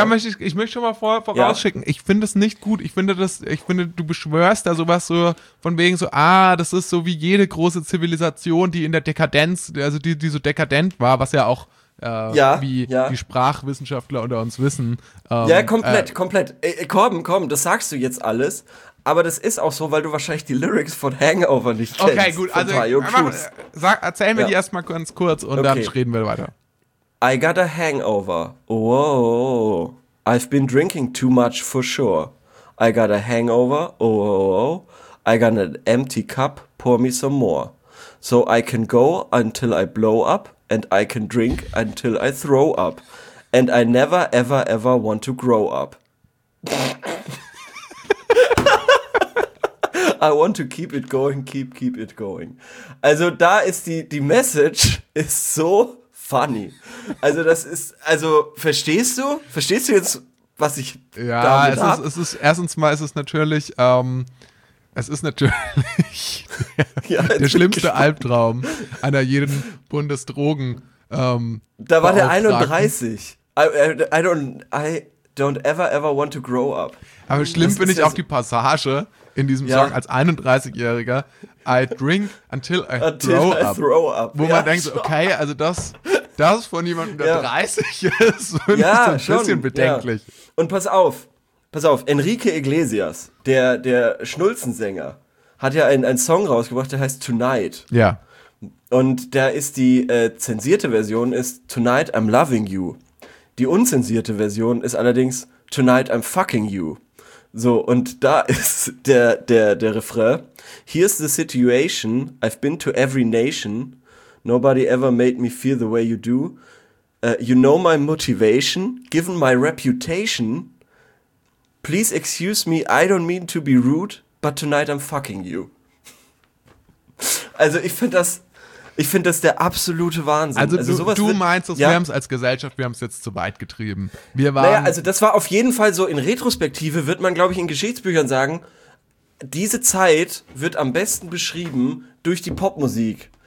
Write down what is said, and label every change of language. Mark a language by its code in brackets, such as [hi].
[de] Aber da möchte ich möchte schon mal vorausschicken, ja? Ich finde das nicht gut. Ich finde, du beschwörst da sowas so von wegen so, das ist so wie jede große Zivilisation, die in der Dekadenz, also die so dekadent war, was ja auch die Sprachwissenschaftler unter uns wissen. Komplett. Komm, das sagst du jetzt alles. Aber das ist auch so, weil du wahrscheinlich die Lyrics von Hangover nicht kennst. Okay, gut, also erzähl mir die erstmal ganz kurz und dann reden wir weiter. [en] I got a hangover. Whoa. I've been drinking too much for sure. I got a hangover. Whoa. I got an empty cup. Pour me some more. So I can go until I blow up. And I can drink until I throw up. And I never, ever, ever want to grow up. I want to keep it going, keep it going. [de] Also da ist die Message ist so funny. Also das ist, also verstehst du? Verstehst du jetzt, was ich damit hab? Es ist natürlich der schlimmste Albtraum einer jeden Bundesdrogen. Da war der 31. [en] I don't ever want to grow up. [de] Aber schlimm finde ich auch die Passage in diesem Song als 31-Jähriger. [en] I drink until I throw up. [de] Wo man denkt, okay, also das von jemandem, der 30 ist, finde ich so ein bisschen bedenklich. Ja. Und pass auf, Enrique Iglesias, der Schnulzensänger, hat ja einen Song rausgebracht, der heißt Tonight. Ja. Und da ist die zensierte Version ist Tonight I'm Loving You. Die unzensierte Version ist allerdings Tonight I'm Fucking You. So, und da ist der Refrain. [en] Here's the situation, I've been to every nation. Nobody ever made me feel the way you do. You know my motivation, given my reputation. Please excuse me, I don't mean to be rude, but tonight I'm fucking you. [de] Also ich finde das der absolute Wahnsinn. Also sowas du meinst, wir haben es als Gesellschaft, wir haben es jetzt zu weit getrieben. Wir waren, naja, also das war auf jeden Fall so, in Retrospektive wird man, glaube ich, in Geschichtsbüchern sagen, diese Zeit wird am besten beschrieben durch die Popmusik.